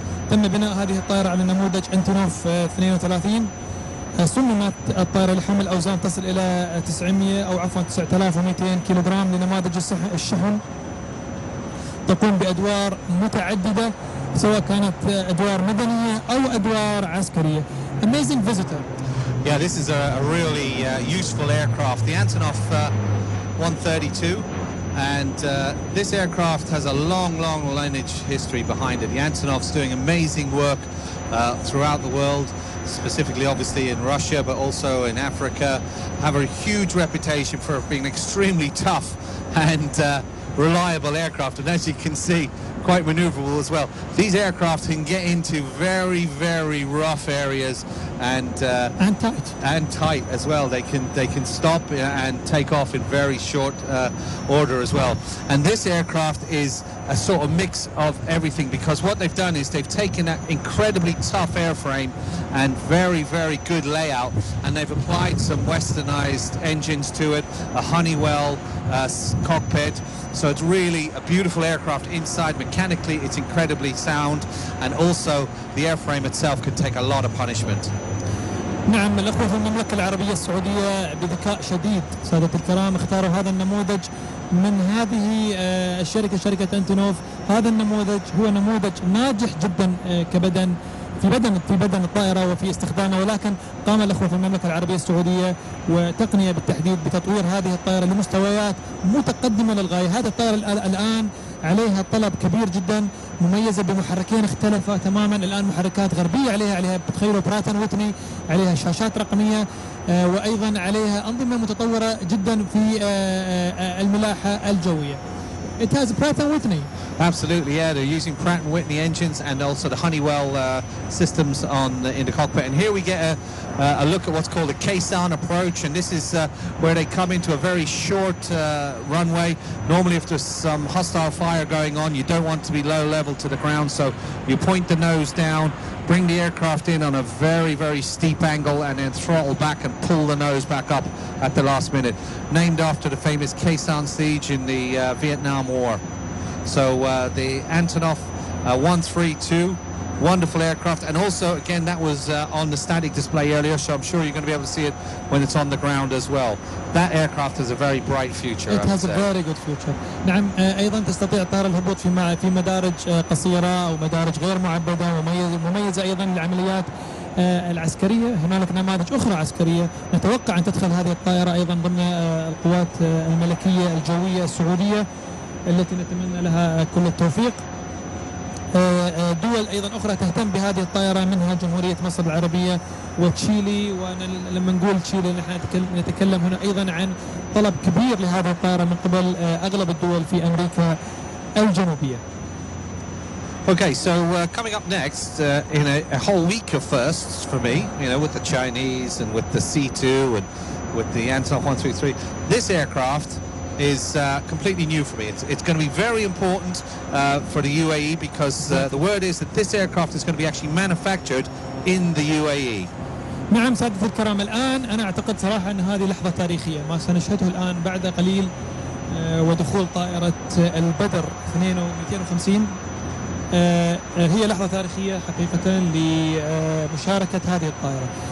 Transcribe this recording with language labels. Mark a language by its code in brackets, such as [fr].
[ar] تم بناء هذه الطائرة على نموذج أنتونوف 32. صممت الطائرة لحمل أوزان تصل إلى 9200 كيلوغرام لنماذج الشحن. تقوم بأدوار متعددة سواء كانت أدوار مدنية أو أدوار عسكرية. [en] Amazing visitor. Yeah, this is a really useful aircraft, the Antonov 132. And this aircraft has a long, long lineage history behind it. The Antonov's doing amazing work throughout the world. Specifically, obviously, in Russia, but also in Africa, have a huge reputation for being extremely tough and reliable aircraft. And as you can see, quite maneuverable as well. These aircraft can get into very, very rough areas and tight as well. They can stop and take off in very short order as well. And this aircraft is a sort of mix of everything, because what they've done is they've taken that incredibly tough airframe and very, very good layout, and they've applied some westernized engines to it, a Honeywell cockpit. So it's really a beautiful aircraft inside. Mechanically, it's incredibly sound, and also the airframe itself can take a lot of punishment. [ar] نعم الأخوة في المملكة العربية السعودية بذكاء شديد سادة الكرام اختاروا هذا النموذج من هذه الشركة شركة أنتونوف. هذا النموذج هو نموذج ناجح جدا كبدن في بدن الطائرة وفي استخدامه، ولكن قام الأخوة في المملكة العربية السعودية وتقنية بالتحديد بتطوير هذه الطائرة لمستويات متقدمة للغاية. هذه الطائرة الآن عليها طلب كبير جدا، مميزة بمحركين اختلفة تماما. الآن محركات غربية عليها تخيلوا برات اند ويتني، عليها شاشات رقمية وأيضا عليها أنظمة متطورة جدا في الملاحة الجوية. [en] It has Pratt & Whitney. Absolutely, yeah. They're using Pratt & Whitney engines and also the Honeywell systems in the cockpit. And here we get a look at what's called a caisson approach. And this is where they come into a very short runway. Normally, if there's some hostile fire going on, you don't want to be low level to the ground. So you point the nose down, bring the aircraft in on a very, very steep angle, and then throttle back and pull the nose back up at the last minute. Named after the famous caisson siege in the Vietnam War. So the Antonov 132, wonderful aircraft. And also, again, that was on the static display earlier, so I'm sure you're going to be able to see it when it's on the ground as well. That aircraft has a very bright future. It has a very good future. [ar] نعم أيضا تستطيع طائرة الهبوط في مدارج قصيرة أو مدارج غير معبدة، ومميزة أيضا للعمليات العسكرية. هنالك نماذج أخرى عسكرية نتوقع أن تدخل هذه الطائرة أيضا ضمن القوات الملكية الجوية السعودية التي نتمنى لها كل التوفيق. دول أيضا أخرى تهتم بهذه الطائرة منها جمهورية مصر العربية وتشيلي، ولما نقول تشيلي نحن نتكلم هنا أيضا عن طلب كبير لهذه الطائرة من قبل أغلب الدول في أمريكا الجنوبية. [en] Okay, so coming up next, in a whole week of firsts for me, you know, with the Chinese and with the C2 and with the Antonov 133, this aircraft is completely new for me. It's going to be very important for the UAE, because the word is that this aircraft is going to be actually manufactured in the UAE. [ar] نعم سادة الكرام، الآن أنا أعتقد صراحة أن هذه لحظة تاريخية ما سنشهده الآن بعد قليل ودخول طائرة البدر 252. هي لحظة تاريخية حقيقة لمشاركة هذه الطائرة.